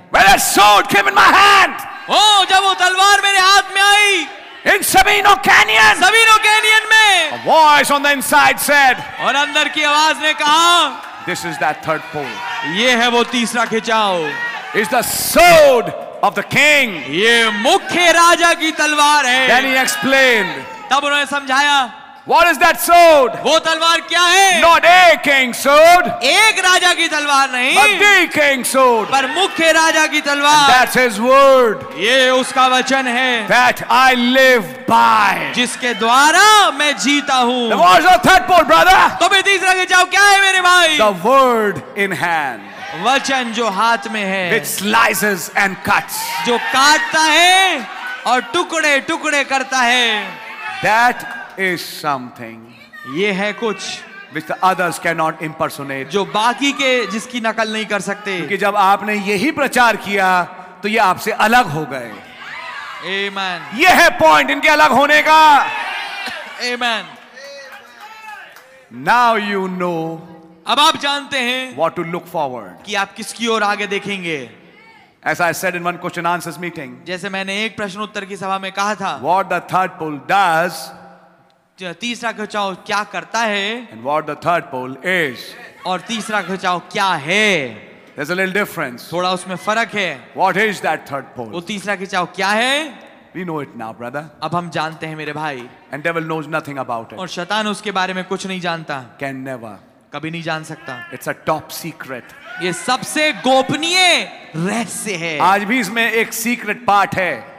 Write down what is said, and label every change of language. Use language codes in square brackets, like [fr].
[en] When a sword came in my hand. [hi] Oh, जब वो तलवार मेरे हाथ में आई। [en] In Sabino Canyon. [hi] Sabino Canyon में। [en] A voice on the inside said. [hi] और अंदर की आवाज ने कहा। [en] This is that third pole. [hi] ये है वो तीसरा खिंचाव। [en] It's the sword of the king. [hi] ये मुख्य राजा की तलवार है। [en] Then he explained. [hi] तब उन्होंने समझाया। [en] What is that sword? [hi] वो तलवार क्या है? [en] Not a king sword. [hi] एक राजा की तलवार नहीं। [en] But the king sword. [hi] पर मुख्य राजा की तलवार। [en] That's his word. [hi] ये उसका वचन है। [en] That I live by. [hi] जिसके द्वारा मैं जीता हूँ। [en] What's the third pole, brother? [hi] तो भी तीसरा के जाओ क्या है मेरे भाई? [en] The word in hand. [hi] वचन जो हाथ में है। [en] Which slices and cuts. [hi] जो काटता है और टुकड़े टुकड़े करता है। [en] That is something. [hi] ये है कुछ [en] which the others cannot impersonate. [hi] जो बाकी के जिसकी नकल नहीं कर सकते। क्योंकि जब आपने यही प्रचार किया तो ये आपसे अलग हो गए। [en] Amen. [hi] ये है पॉइंट इनके अलग होने का। [en] Amen. Now you know. [hi] अब आप जानते हैं [en] what to look forward. [hi] कि आप किसकी ओर आगे देखेंगे। [en] As I said in one question answers meeting. [hi] जैसे मैंने एक प्रश्न उत्तर की सभा में कहा था। [en] What the third pole does. [hi] तीसरा खिंचाव क्या करता है? [en] And what the third pole is. [hi] और तीसरा खिंचाव क्या है? [en] There's a little difference. [hi] थोड़ा उसमें फर्क है। [en] What is that third pole? [hi] वो तीसरा खिंचाव क्या है? [en] We know it now, brother. [hi] अब हम जानते हैं मेरे भाई। [en] And devil knows nothing about it. [hi] और शैतान उसके बारे में कुछ नहीं जानता। [en] Can never. [hi] कभी नहीं जान सकता। [en] It's a top secret. [hi] ये सबसे गोपनीय रहस्य है। आज भी इसमें एक सीक्रेट पार्ट है।